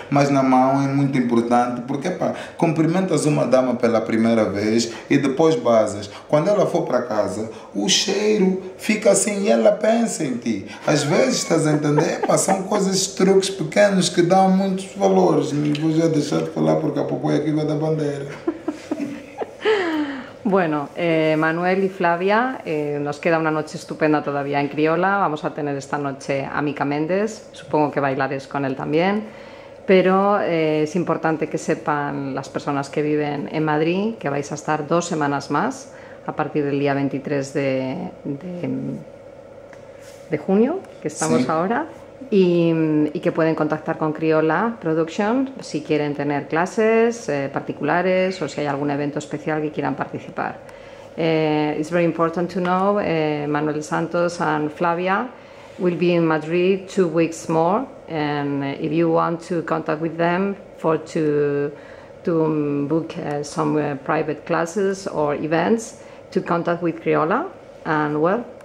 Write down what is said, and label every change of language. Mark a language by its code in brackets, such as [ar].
[pt] Mas na mão é muito importante, porque, pá, cumprimentas uma dama pela primeira vez e depois basas. Quando ela for para casa, o cheiro fica assim e ela pensa em ti. Às vezes estás a entender? Epa, são coisas, truques pequenos que dão muitos valores. Vou já deixar de falar porque a Popoia aqui vai da bandeira. [es] Bueno, Manuel y Flavia, nos queda una noche estupenda todavía en Criola. Vamos a tener esta noche a Mika Méndez. Supongo que bailaréis con él también. Pero es importante que sepan las personas que viven en Madrid que vais a estar 2 semanas más a partir del día 23 de junio, que estamos sí. Ahora, y que pueden contactar con Criola Production si quieren tener clases particulares o si hay algún evento especial que quieran participar. [en] It's very important to know, Manuel Santos and Flavia will be in Madrid 2 weeks more, and if you want to contact with them to book some private classes or events, to contact with Criola, and well?